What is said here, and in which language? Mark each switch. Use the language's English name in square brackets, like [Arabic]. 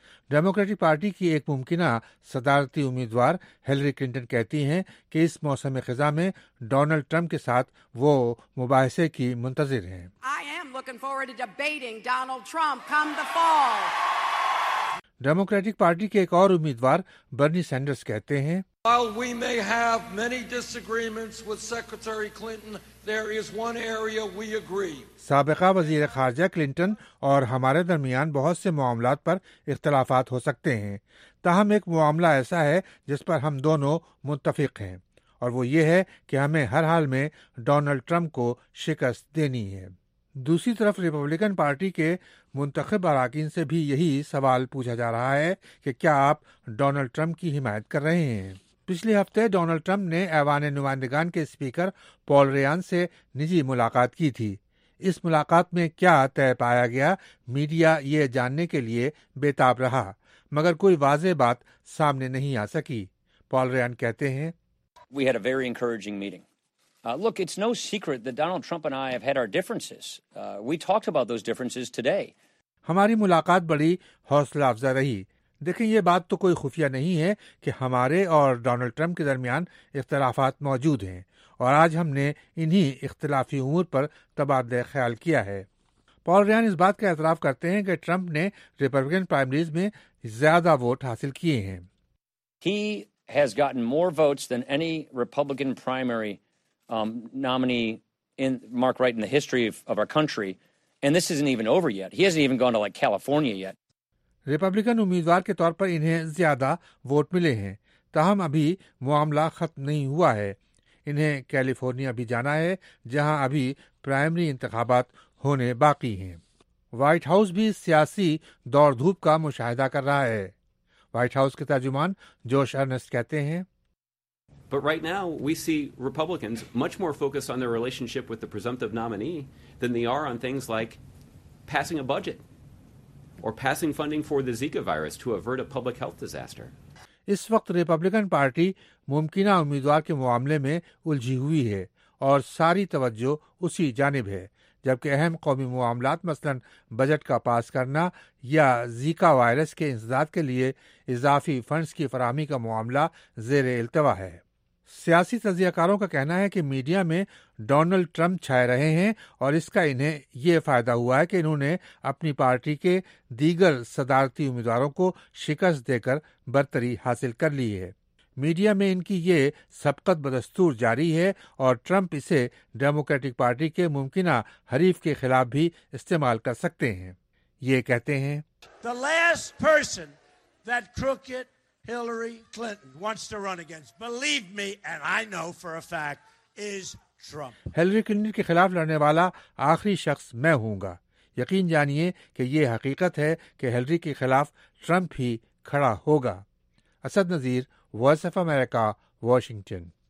[Urdu] Democratic party کی ایک ممکنہ صدارتی امیدوار ہلری کلنٹن کہتی ہیں کہ اس موسم خزاں میں ڈونلڈ ٹرمپ کے ساتھ وہ مباحثے کی منتظر ہیں. ڈیموکریٹک پارٹی کے ایک اور امیدوار برنی سینڈرز کہتے ہیں, [English] While we may have many disagreements with Secretary Clinton, there is one area we agree. [Urdu] سابقہ وزیر خارجہ کلنٹن اور ہمارے درمیان بہت سے معاملات پر اختلافات ہو سکتے ہیں, تاہم ایک معاملہ ایسا ہے جس پر ہم دونوں متفق ہیں, اور وہ یہ ہے کہ ہمیں ہر حال میں ڈونلڈ ٹرمپ کو شکست دینی ہے. دوسری طرف ریپبلکن پارٹی کے منتخب اراکین سے بھی یہی سوال پوچھا جا رہا ہے کہ کیا آپ ڈونلڈ ٹرمپ کی حمایت کر رہے ہیں. پچھلے ہفتے ڈونلڈ ٹرمپ نے ایوان نمائندگان کے اسپیکر پال ریان سے نجی ملاقات کی تھی. اس ملاقات میں کیا طے پایا گیا میڈیا یہ جاننے کے لیے بیتاب رہا, مگر کوئی واضح بات سامنے نہیں آ سکی. پال ریان کہتے ہیں, [English] We had a very encouraging meeting. Look, it's no secret that Donald Trump and I have had our differences. We talked about those differences today. [Urdu] ہماری ملاقات بڑی حوصلہ افزا رہی. دیکھیں, یہ بات تو کوئی خفیہ نہیں ہے کہ ہمارے اور ڈونلڈ ٹرمپ کے درمیان اختلافات موجود ہیں, اور آج ہم نے انہی اختلافی امور پر تبادلہ خیال کیا ہے. پال ریان اس بات کا اعتراف کرتے ہیں کہ ٹرمپ نے ریپبلکن پرائمریز میں زیادہ ووٹ حاصل کیے ہیں. [English] He has gotten more votes than any Republican primary nominee in mark right in the history of our country, and this isn't even over yet. He hasn't even gone to like California yet. [Urdu] Republican امیدوار کے طور پر انہیں زیادہ vote ملے ہیں، تاہم ابھی معاملہ ختم نہیں ہوا ہے۔ انہیں کیلیفورنیا بھی جانا ہے جہاں ابھی پرائمری انتخابات ہونے باقی ہیں۔ وائٹ ہاؤس بھی سیاسی دوڑ دھوپ کا مشاہدہ کر رہا ہے۔ وائٹ ہاؤس کے ترجمان جوش ارنسٹ کہتے ہیں، [English] But right now we see Republicans much more focused on their relationship with the presumptive nominee than they are on things like passing a budget or passing funding for the Zika virus to avert a public health disaster. [Urdu] اس وقت Republican party ممکنہ امیدوار کے معاملے میں الجھی ہوئی ہے اور ساری توجہ اسی جانب ہے، جبکہ اہم قومی معاملات مثلاً بجٹ کا پاس کرنا یا زیکا وائرس کے انسداد کے لیے اضافی فنڈز کی فراہمی کا معاملہ زیر التوا ہے۔ سیاسی تجزیہ کاروں کا کہنا ہے کہ میڈیا میں ڈونلڈ ٹرمپ چھائے رہے ہیں اور اس کا انہیں یہ فائدہ ہوا ہے کہ انہوں نے اپنی پارٹی کے دیگر صدارتی امیدواروں کو شکست دے کر برتری حاصل کر لی ہے۔ میڈیا میں ان کی یہ سبقت بدستور جاری ہے اور ٹرمپ اسے ڈیموکریٹک پارٹی کے ممکنہ حریف کے خلاف بھی استعمال کر سکتے ہیں۔ یہ کہتے ہیں، [English] The last person that crooked Hillary Clinton wants to run against, believe me and I know for a fact, is Trump. [Urdu] Hillary Clinton کے خلاف لڑنے والا آخری شخص میں ہوں گا۔ یقین جانیے کہ یہ حقیقت ہے کہ ہلری کے خلاف ٹرمپ ہی کھڑا ہوگا۔ Asad Nazir, voice of America, Washington.